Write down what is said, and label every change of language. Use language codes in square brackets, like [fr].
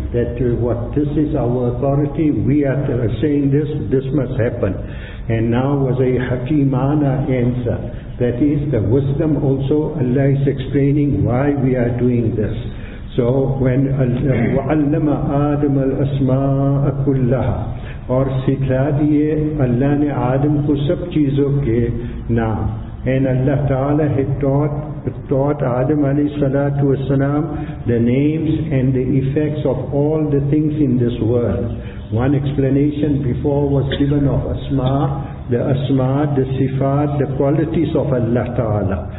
[en] That what this is our authority. We are saying this. This must happen. And now was a hakimana answer. That is the wisdom also Allah is explaining why we are doing this. So when [ar] وَعَلَّمَ آدَمَ الْأَسْمَاءَ كُلَّهَا [ur] اور سکھلا دیئے اللہ نے آدم کو سب چیزوں کے نام. [en] And Allah Ta'ala had taught Adam alayhi salatu wasalam the names and the effects of all the things in this world. One explanation before was given of asma, the asma, the sifat, the qualities of Allah Ta'ala.